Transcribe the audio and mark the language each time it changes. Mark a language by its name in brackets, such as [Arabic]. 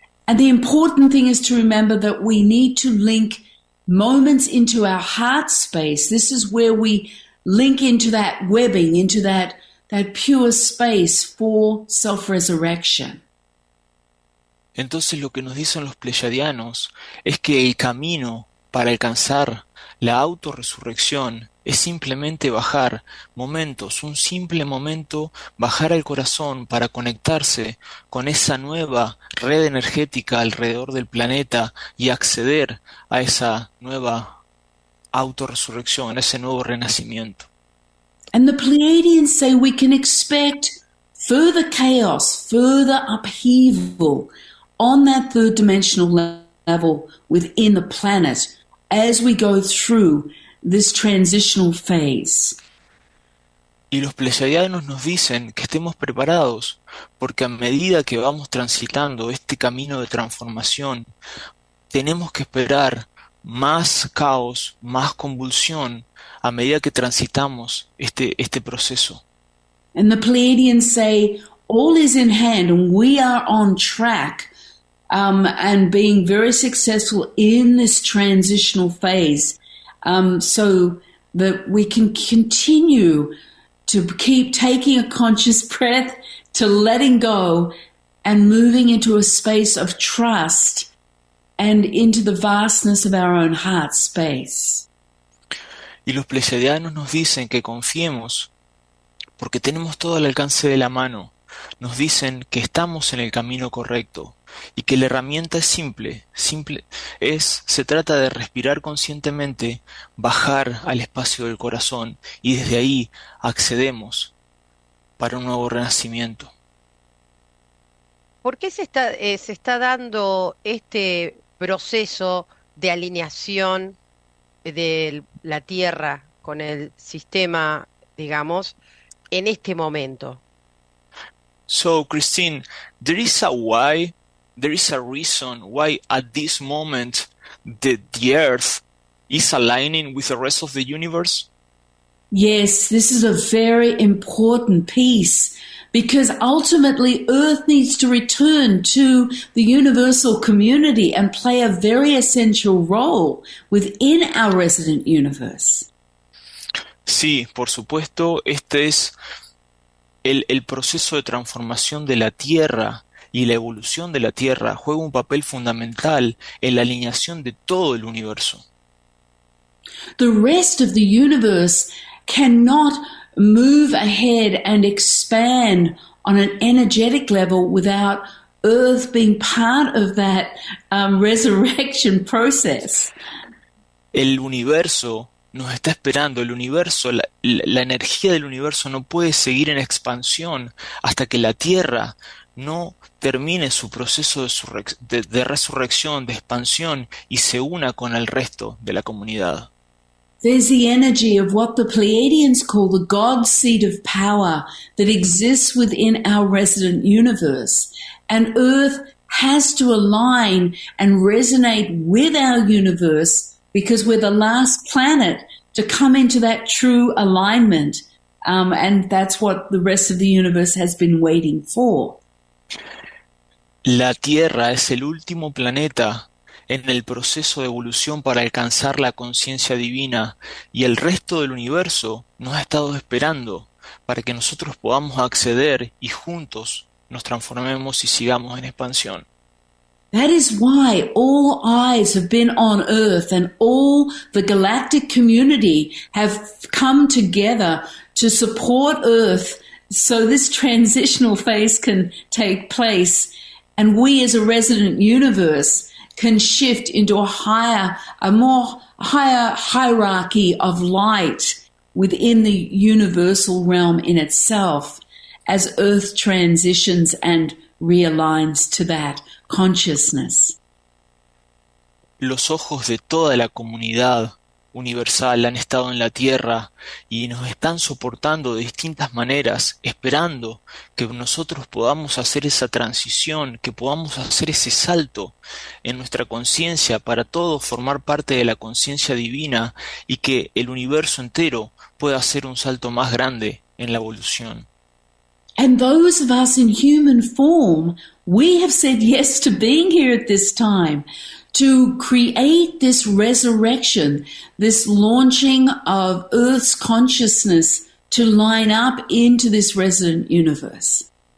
[English] And the important thing is to remember that we need to link moments into our heart space. This is where we link into that webbing, into that pure space for self-resurrection. [Spanish] Entonces lo que nos dicen los pleyadianos es que el camino para alcanzar la autorresurrección es simplemente bajar momentos, un simple momento, bajar al corazón para conectarse con esa nueva red energética alrededor del planeta y acceder a esa nueva autorresurrección, a ese nuevo renacimiento. [English] And the Pleiadians say we can expect further chaos, further upheaval on that third dimensional level within the planet as we go through this transitional phase. [Spanish] Y los pleyadianos nos dicen que estemos preparados, porque a medida que vamos transitando este camino de transformación, tenemos que esperar más caos, más convulsión, a medida que transitamos este proceso. [English] And the Pleiadians say all is in hand and we are on track and being very successful in this transitional phase so that we can continue to keep taking a conscious breath, to letting go and moving into a space of trust and into the vastness of our own heart space. [Spanish] Y los pleyadianos nos dicen que confiemos porque tenemos todo al alcance de la mano. nos dicen que estamos en el camino correcto y que la herramienta es simple, simple es, se trata de respirar conscientemente, bajar al espacio del corazón y desde ahí accedemos para un nuevo renacimiento. ¿Por qué se está dando este proceso de alineación de la Tierra con el sistema, digamos, en este momento? [English] So, Christine, there is a why, there is a reason why at this moment the Earth is aligning with the rest of the universe. Yes, this is a very important piece. Because ultimately, Earth needs to return to the universal community and play a very essential role within our resident universe. [Spanish] Sí, por supuesto, este es el proceso de transformación de la Tierra y la evolución de la Tierra juega un papel fundamental en la alineación de todo el universo. [English] The rest of the universe cannot move ahead and expand on an energetic level without Earth being part of that resurrection process. [Spanish] El universo nos está esperando, el universo, la energía del universo no puede seguir en expansión hasta que la Tierra no termine su proceso de resurrección, de expansión y se una con el resto de la comunidad. [English] There's the energy of what the Pleiadians call the God seat of power that exists within our resident universe. And Earth has to align and resonate with our universe because we're the last planet to come into that true alignment. And that's what the rest of the universe has been waiting for. [Spanish] La Tierra es el último planeta en el proceso de evolución para alcanzar la conciencia divina y el resto del universo nos ha estado esperando para que nosotros podamos acceder y juntos nos transformemos y sigamos en expansión. [English] That is why all eyes have been on Earth and all the galactic community have come together to support Earth so this transitional phase can take place and we as a resident universe can shift into a higher, a more higher hierarchy of light within the universal realm in itself as Earth transitions and realigns to that consciousness. [Spanish] Los ojos de toda la comunidad universal han estado en la Tierra y nos están soportando de distintas maneras, esperando que nosotros podamos hacer esa transición, que podamos hacer ese salto en nuestra conciencia para todos formar parte de la conciencia divina y que el universo entero pueda hacer un salto más grande en la evolución. [English] And those of us in human form, we have said yes to being here at this time. To create this resurrection, this launching of Earth's consciousness to line up into this resident universe.